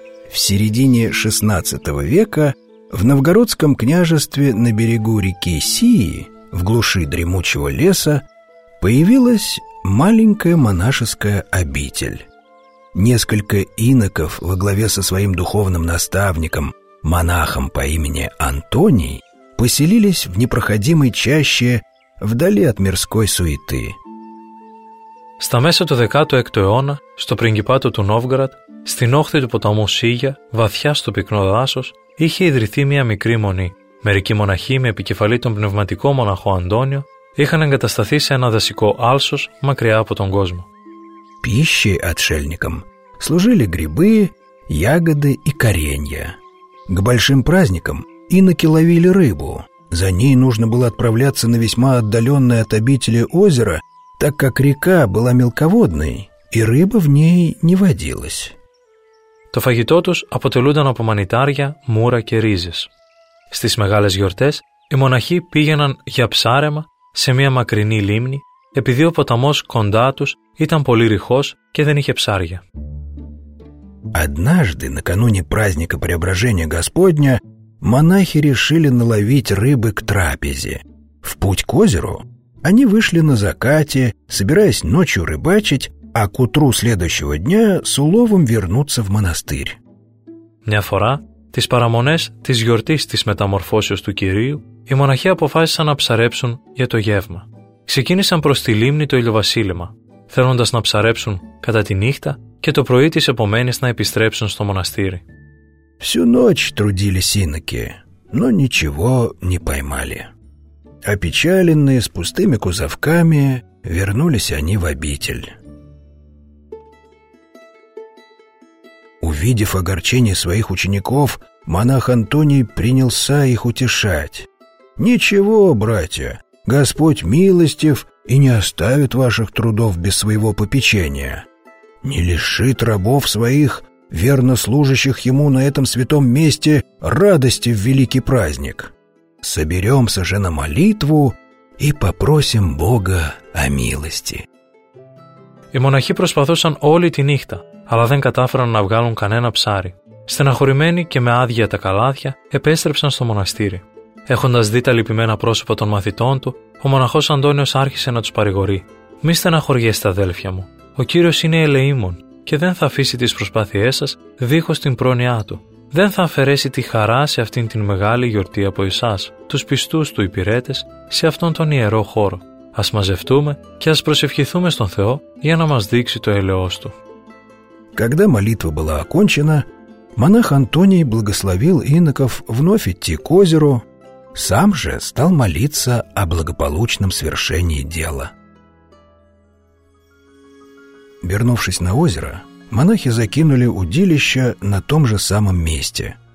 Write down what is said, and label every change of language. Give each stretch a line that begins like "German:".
Russian: В середине XVI века в новгородском княжестве на берегу реки Сии, в глуши дремучего леса, появилась маленькая монашеская обитель. Несколько иноков во главе со своим духовным наставником, монахом по имени Антоний, поселились в непроходимой чаще вдали от мирской суеты.
Greek: Στα μέσα του 16ου αιώνα, στο πριγκιπάτο του Νόβγκαρατ, στην όχθη του ποταμού Σίγια, βαθιά στο πυκνό δάσος, είχε ιδρυθεί μια μικρή μονή. Μερικοί μοναχοί με επικεφαλή τον πνευματικό μοναχό Αντώνιο είχαν εγκατασταθεί σε ένα δασικό άλσος μακριά από τον κόσμο. Πίσω ατσέλνικαμ,
Russian: служили грибы, ягоды и коренья. К большим праздникам иноки ловили рыбу. За ней нужно было отправляться на весьма отдаленное от обители озеро, так как река была мелководной, и рыба в ней не водилась.
Greek: Το φαγητό τους αποτελούνταν από μανιτάρια, μούρα και ρίζες. Στις μεγάλες γιορτές, οι μοναχοί πήγαιναν για ψάρεμα σε μια μακρινή λίμνη, επειδή ο ποταμός κοντά τους ήταν πολύ ρηχός και δεν είχε ψάρια.
Russian: Однажды, накануне праздника Преображения Господня, монахи решили наловить рыбы к трапезе. В путь к озеру они вышли на закате, собираясь ночью рыбачить, а к утру следующего дня с уловом вернуться в монастырь.
Greek: Μια φορά, τις παραμονές της γιορτής της μεταμορφώσεως του Κυρίου, οι μοναχοί αποφάσισαν να ψαρέψουν για το γεύμα. Ξεκίνησαν προς τη λίμνη το Ηλιοβασίλεμα, θέλοντας να ψαρέψουν κατά τη νύχτα και το πρωί της επομένης να επιστρέψουν στο μοναστήρι.
Russian: Всю ночь трудились иноки, но ничего не поймали. Опечаленные, с пустыми кузовками, вернулись они в обитель. Увидев огорчение своих учеников, монах Антоний принялся их утешать. «Ничего, братья, Господь милостив и не оставит ваших трудов без своего попечения. Не лишит рабов своих, верно служащих ему на этом святом месте, радости в великий праздник». Соберемся же на молитву и попросим Бога о милости.
Greek: Οι μοναχοί προσπαθούσαν όλη τη νύχτα, αλλά δεν κατάφεραν να βγάλουν κανένα ψάρι. Στεναχωρημένοι και με άδεια τα καλάθια, επέστρεψαν στο μοναστήρι. Έχοντας δει τα λυπημένα πρόσωπα των μαθητών του, ο μοναχός Αντώνιος άρχισε να τους παρηγορεί. «Μη στεναχωριέστε, αδέλφια μου. Ο Κύριος είναι ελεήμων και δεν θα αφήσει τις προσπάθειές σας δίχως την πρόνοιά του. Δεν θα αφαιρέσει τη χαρά σε αυτήν την μεγάλη γιορτή από εσάς, τους πιστούς του υπηρέτες, σε αυτόν τον ιερό χώρο. Ας μαζευτούμε και ας προσευχηθούμε στον Θεό για να μας δείξει το ελεός του».
Russian: Когда молитва была окончена, монах Антоний благословил иноков вновь идти к озеру, сам же стал молиться о благополучном свершении дела. Вернувшись на озеро, монахи закинули удилище на том же самом месте.